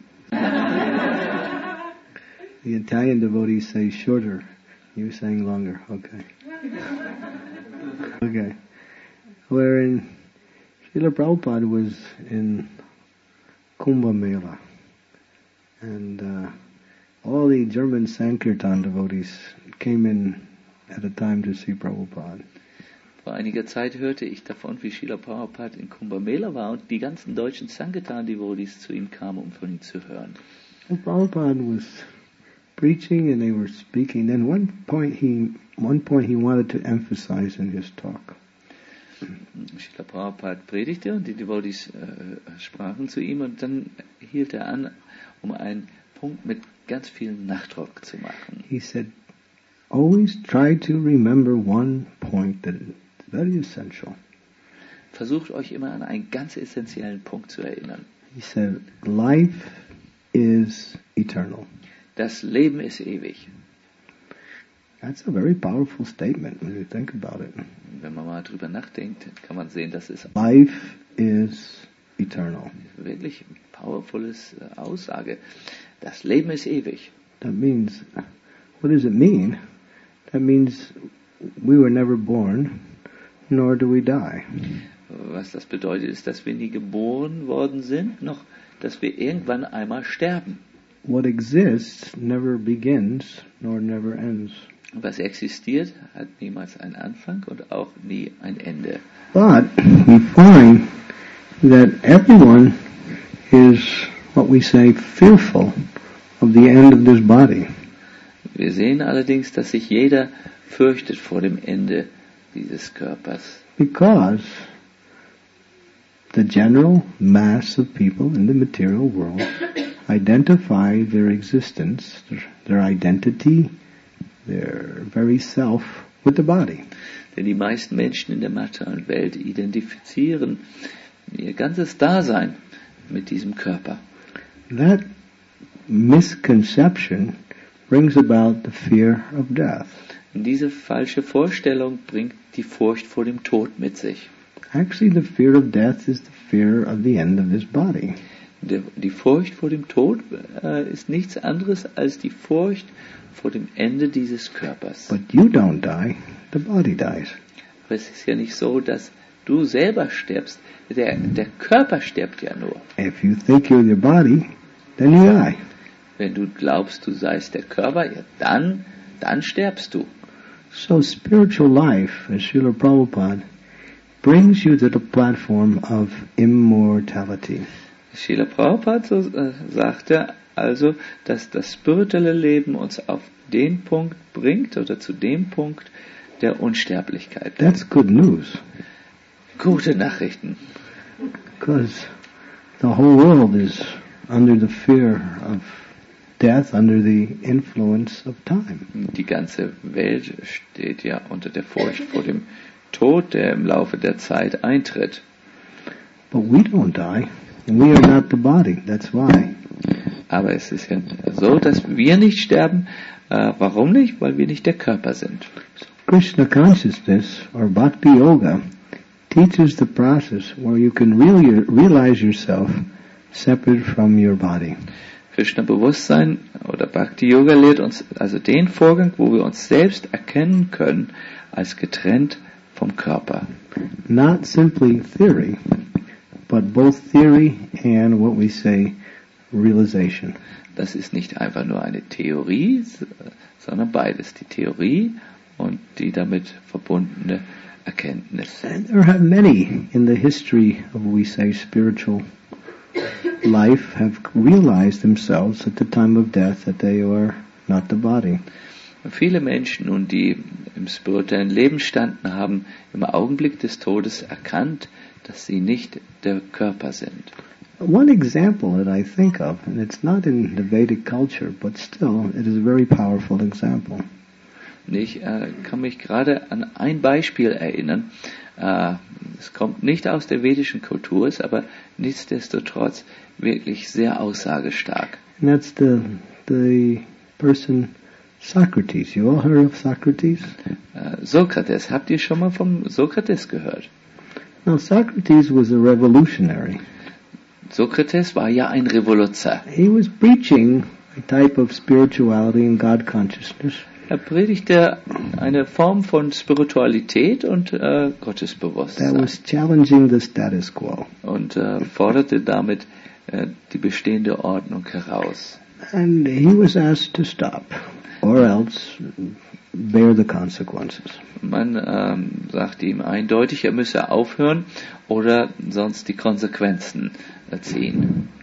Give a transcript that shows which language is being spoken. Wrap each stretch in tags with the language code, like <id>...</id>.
<en>The Italian devotees say shorter. You're saying longer. Okay. Okay. Wherein Srila Prabhupada was in Kumbh Mela. And all the German Sankirtan devotees came in at a time to see Prabhupada.</en> <de>Vor einiger Zeit hörte ich davon, wie Srila Prabhupada in Kumbh Mela war und die ganzen deutschen Sankirtan-Devotees zu ihm kamen, um von ihm zu hören.</de> <en>And Prabhupada was preaching and they were speaking. Then one point he wanted to emphasize in his talk.</en> <de>Srila Prabhupada predigte und die Devotees sprachen zu ihm und dann hielt er an, um einen Punkt mit ganz viel Nachdruck zu machen.</de> <en>He said, always try to remember one point that is very essential.</en> <de>Versucht euch immer an einen ganz essentiellen Punkt zu erinnern.</de> <en>He said, life is eternal.</en> <de>Das Leben ist ewig.</de> <en>That's a very powerful statement when you think about it.</en> <de>Wenn man mal drüber nachdenkt, kann man sehen, dass es</de> <en>life is eternal.</en> <de>Wirklich powerfules Aussage. Das Leben ist ewig.</de> <en>That means, what does it mean? That means we were never born, nor do we die.</en> <de>Was das bedeutet ist, dass wir nie geboren worden sind, noch dass wir irgendwann einmal sterben.</de> <en>What exists never begins, nor never ends.</en> <de>Was existiert, hat niemals einen Anfang und auch nie ein Ende.</de> <en>But we find that everyone is what we say fearful of the end of this body.</en> <de>Wir sehen allerdings, dass sich jeder fürchtet vor dem Ende dieses Körpers.</de> <en>Because the general mass of people in the material world identify their existence, their identity, their very self with the body.</en> <de>Denn die meisten Menschen in der materiellen Welt identifizieren ihr ganzes Dasein mit diesem Körper.</de> <en>That misconception brings about the fear of death.</en> <de>Und diese falsche Vorstellung bringt die Furcht vor dem Tod mit sich.</de> <en>Actually, the fear of death is the fear of the end of this body.</en> <de>Die Furcht vor dem Tod ist nichts anderes als die Furcht vor dem Ende dieses Körpers.</de> <en>But you don't die, the body dies.</en> <de>Aber es ist ja nicht so, dass du selber stirbst. Der Körper stirbt ja nur.</de> <en>If you think you're the body, then you die.</en> <de>Wenn du glaubst, du seist der Körper, ja, dann sterbst du.</de> <en>So spiritual life, as Srila Prabhupada, brings you to the platform of immortality.</en> <de>Srila Prabhupada so, sagte also, dass das spirituelle Leben uns auf den Punkt bringt oder zu dem Punkt der Unsterblichkeit.</de> <en>That's good news.</en> <de>Gute Nachrichten.</de> <en>Because the whole world is under the fear of death, under the influence of time.</en> <de>Die ganze Welt steht ja unter der Furcht vor dem Tod, der im Laufe der Zeit eintritt.</de> <en>But we don't die. We are not the body. That's why.</en> <de>Aber es ist ja so, dass wir nicht sterben. Warum nicht? Weil wir nicht der Körper sind. So</de> <en>Krishna consciousness or Bhakti Yoga teaches the process where you can really realize yourself separate from your body.</en> <de>Krishna Bewusstsein oder Bhakti Yoga lehrt uns also den Vorgang, wo wir uns selbst erkennen können als getrennt vom Körper.</de> <en>Not simply theory, but both theory and what we say realization.</en> <de>Das ist nicht einfach nur eine Theorie, sondern beides, die Theorie und die damit verbundene Erkenntnis.</de> <en>And there have many in the history of what we say spiritual life have realized themselves at the time of death that they are not the body.</en> <de>Viele Menschen nun, die im spirituellen Leben standen, haben im Augenblick des Todes erkannt, dass sie nicht der Körper sind.</de> <en>One example that I think of, and it's not in the Vedic culture, but still, it is a very powerful example.</en> <de>Ich kann mich gerade an ein Beispiel erinnern. Es kommt nicht aus der vedischen Kultur, ist aber nichtsdestotrotz wirklich sehr aussagestark.</de> <en>And that's the person Socrates. You all heard of Socrates?</en> <de>Sokrates. Habt ihr schon mal vom Sokrates gehört?</de> <en>Now, Socrates was a revolutionary.</en> <de>Sokrates war ja ein Revoluzzer.</de> <en>He was preaching a type of spirituality and God consciousness.</en> <de>Er predigte eine Form von Spiritualität und Gottesbewusstsein.</de> <en>That was challenging the status quo.</en> <de>Und forderte damit die bestehende Ordnung heraus.</de> <en>And he was asked to stop, or else bear the consequences.</en> <de>Man sagte ihm eindeutig, er müsse aufhören oder sonst die Konsequenzen ziehen.</de>